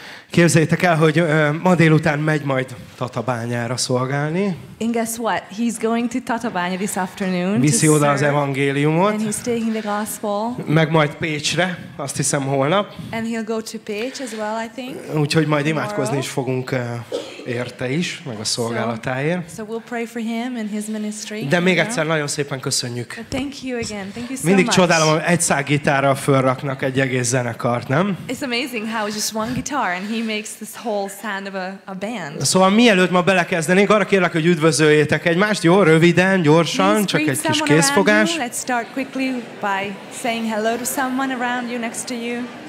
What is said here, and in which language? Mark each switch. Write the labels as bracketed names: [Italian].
[Hungarian] Képzeljétek el, hogy ma délután megy majd Tatabányára szolgálni. [English] And guess what? He's going to Tatabánya this afternoon. [Hungarian] Viszi oda az evangéliumot. [English] And he's taking the gospel. [Hungarian] Meg majd Pécsre, azt hiszem holnap. [English] And he'll go to Pécs as well, I think. [Hungarian] Úgyhogy majd imádkozni is fogunk érte is, meg a szolgálatáért. [English] So we'll pray for him and his ministry. [Hungarian] De még egyszer nagyon szépen köszönjük. [English] But thank you again. Thank you so [Hungarian] mindig [English] much. [Hungarian] Csodálom, hogy egy szál gitárral fölraknak egy egész zenekart, nem? [English] It's amazing how just one guitar and he makes this whole sound of a band. [Hungarian] Szóval mielőtt ma belekezdenénk, arra kérlek, hogy üdvözöljétek egymást, jó, röviden, gyorsan, [English] please [Hungarian] csak egy kis kézfogás. [English] You. Let's start quickly by saying hello to someone around you, next to you.